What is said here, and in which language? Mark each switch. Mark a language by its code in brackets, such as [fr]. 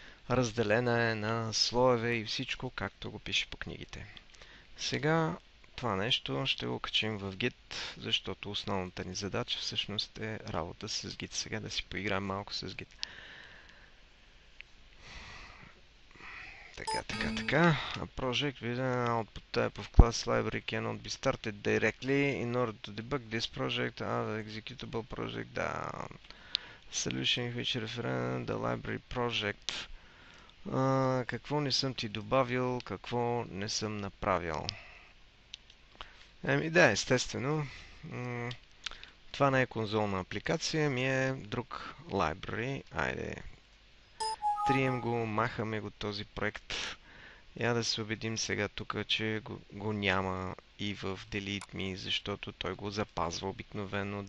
[bg] Разделена е на слоеве и всичко, както го пише по книгите. Сега това нещо ще го качим в Git, защото основната ни задача всъщност е работа с Git. Сега да си поиграем малко с Git. Така, така, така. [en] A project with an output type of class library cannot be started directly in order to debug this project. The executable project, the solution which referred to the library project. [bg] Какво не съм ти добавил, какво не съм направил? Ами да, естествено. Това не е конзолна апликация, ми е друг library. Айде. Трием го, махаме го този проект. Я да се убедим сега тук, че го няма и в Delete Me, защото той го запазва обикновено.